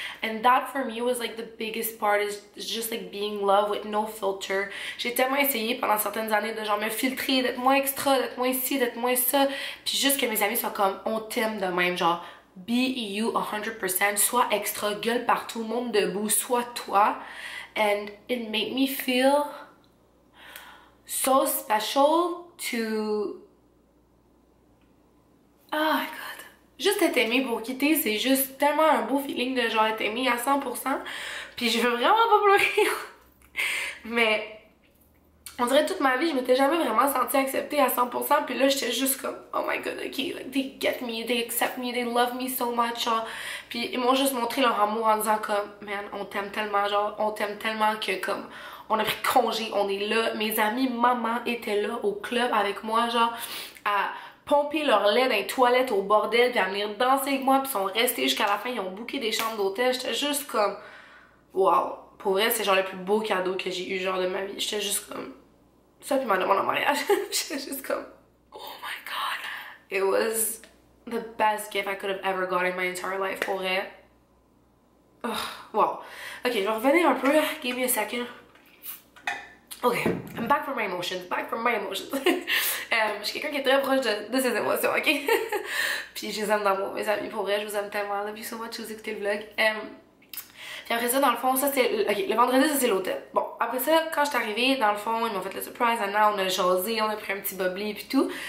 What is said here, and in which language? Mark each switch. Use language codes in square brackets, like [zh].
[en] And that for me was like the biggest part, is just like being love with no filter. [fr] J'ai tellement essayé pendant certaines années de genre me filtrer, d'être moins extra, d'être moins ci, d'être moins ça. Puis juste que mes amis soient comme, on t'aime de même, genre... [en] Be you 100%, [fr] sois extra, gueule partout, monte debout, sois toi. [en] And it made me feel so special to... Oh my god. [fr] Juste être aimée pour quitter, c'est juste tellement un beau feeling de genre être aimée à 100%. Puis je veux vraiment pas pleurer. Mais on dirait toute ma vie, je m'étais jamais vraiment sentie acceptée à 100%. Puis là, j'étais juste comme, oh my god, [en] ok, like, they get me, they accept me, they love me so much. [fr] Genre. Puis ils m'ont juste montré leur amour en disant comme, man, on t'aime tellement, genre, on t'aime tellement que comme, on a pris congé, on est là. Mes amis, maman était là au club avec moi, genre, à pomper leur lait dans les toilettes au bordel, puis à venir danser avec moi, puis ils sont restés jusqu'à la fin, ils ont booké des chambres d'hôtel. J'étais juste comme, wow. Pour vrai, c'est genre le plus beau cadeau que j'ai eu, genre, de ma vie. J'étais juste comme, ça puis ma demande en mariage, j'étais juste comme, oh my god, [en] it was the best gift I could have ever gotten in my entire life, [fr] pour vrai. Oh, wow. Ok, je vais revenir un peu, [en] give me a second. Ok, I'm back from my emotions, back from my emotions. [fr] je suis quelqu'un qui est très proche de ses émotions, ok? Puis je les aime d'amour, mes amis, pour vrai, je vous aime tellement, [en] love you so much, [fr] vous écoutez le vlog. Puis après ça, dans le fond, ça c'est, ok, le vendredi, ça c'est l'hôtel. Bon, après ça, quand je suis arrivée, dans le fond, ils m'ont fait le surprise, Anna, on a jasé, on a pris un petit bubbly et tout.